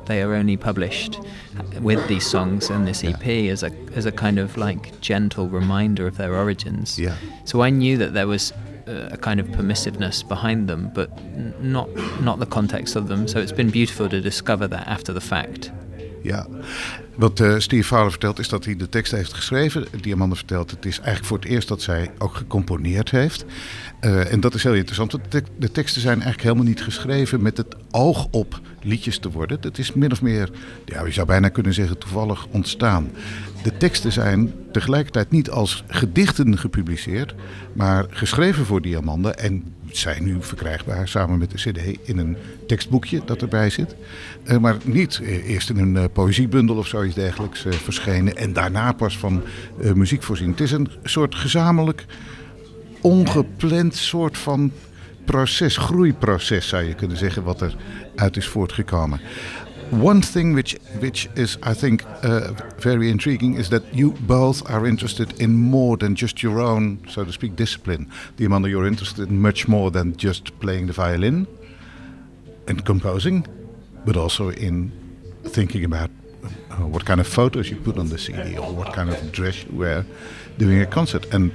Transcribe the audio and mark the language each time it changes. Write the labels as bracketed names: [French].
[English] They are only published with these songs and this EP as a kind of like gentle reminder of their origins. Yeah. So I knew that there was a kind of permissiveness behind them, but not the context of them. So it's been beautiful to discover that after the fact. [Dutch] Ja, wat Steve Fowler vertelt is dat hij de tekst heeft geschreven. Diamanda vertelt, het is eigenlijk voor het eerst dat zij ook gecomponeerd heeft. En dat is heel interessant, want de teksten zijn eigenlijk helemaal niet geschreven met het oog op liedjes te worden. Het is min of meer, ja, je zou bijna kunnen zeggen, toevallig ontstaan. De teksten zijn tegelijkertijd niet als gedichten gepubliceerd, maar geschreven voor Diamanda en zijn nu verkrijgbaar samen met de cd in een tekstboekje dat erbij zit. Maar niet eerst in een poëziebundel of zoiets dergelijks verschenen en daarna pas van muziek voorzien. Het is een soort gezamenlijk ongepland soort van proces, groeiproces zou je kunnen zeggen, wat er uit is voortgekomen. [English] One thing which is, I think, very intriguing is that you both are interested in more than just your own, so to speak, discipline. Diamanda, you're interested in much more than just playing the violin and composing, but also in thinking about what kind of photos you put on the CD or what kind of dress you wear during a concert.